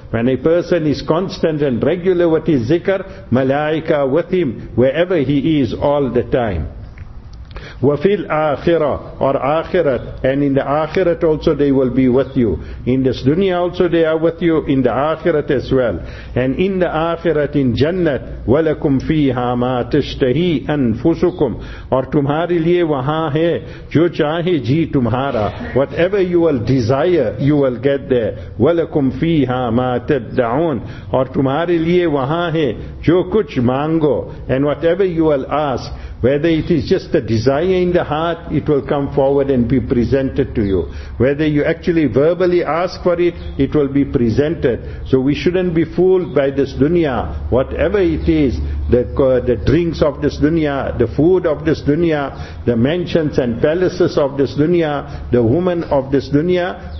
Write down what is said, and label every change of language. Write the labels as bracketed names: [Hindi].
[English] When a person is constant and regular with his zikr, malaika with him wherever he is all the time. [Arabic] وَفِي الْآخِرَةِ [English] or آخِرَةِ, and in the آخِرَةِ also they will be with you. In this dunya also they are with you, in the آخِرَةِ as well. And in the آخِرَةِ in Jannat, [Arabic] وَلَكُمْ فِيهَا مَا تَشْتَهِي أَنفُسُكُمْ, [Urdu] اور تمہارے لئے وہاں ہے جو چاہے جی تمہارا. [English] Whatever you will desire, you will get there. [Arabic] وَلَكُمْ فِيهَا مَا تَدَّعُونَ, [Urdu] اور تمہارے لئے وہاں ہے جو کچھ مانگو. [English] And whatever you will ask, whether it is just a desire in the heart, it will come forward and be presented to you. Whether you actually verbally ask for it, it will be presented. So we shouldn't be fooled by this dunya. Whatever it is, the drinks of this dunya, the food of this dunya, the mansions and palaces of this dunya, the woman of this dunya.